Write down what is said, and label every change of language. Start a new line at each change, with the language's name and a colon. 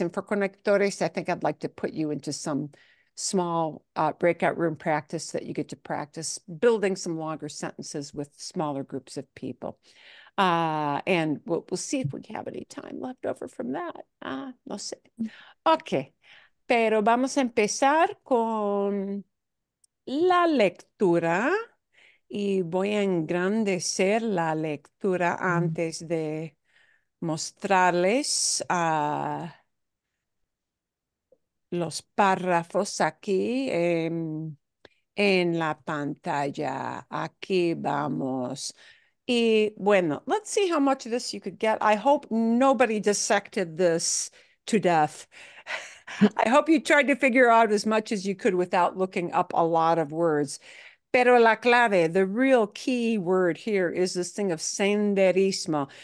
English: And for conectores, I think I'd like to put you into some small breakout room practice that you get to practice building some longer sentences with smaller groups of people. And we'll see if we have any time left over from that.
Spanish: No sé. Okay. Pero vamos a empezar con la lectura y voy a engrandecer la lectura antes de mostrarles los párrafos aquí en la pantalla. Aquí vamos. Y bueno,
English: let's see how much of this you could get. I hope nobody dissected this to death. I hope you tried to figure out as much as you could without looking up a lot of words.
Spanish: Pero la clave,
English: the real key word here, is this thing of senderismo.